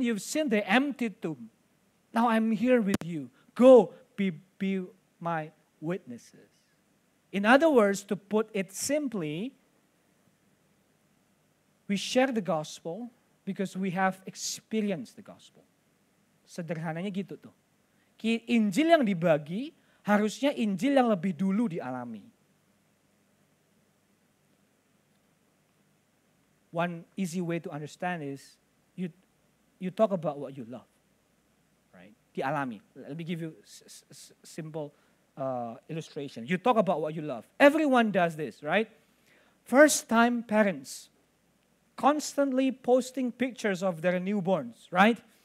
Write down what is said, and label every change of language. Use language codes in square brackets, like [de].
[en] You've seen the empty tomb. Now I'm here with you. Go be my witnesses. In other words, to put it simply, we share the gospel because we have experienced the gospel. [id] Sederhananya gitu tuh. Injil yang dibagi harusnya Injil yang lebih dulu dialami. [en] One easy way to understand is you talk about what you love, right? Dialami. Let me give you simple illustration. You talk about what you love. Everyone does this, right? First-time parents constantly posting pictures of their newborns, right?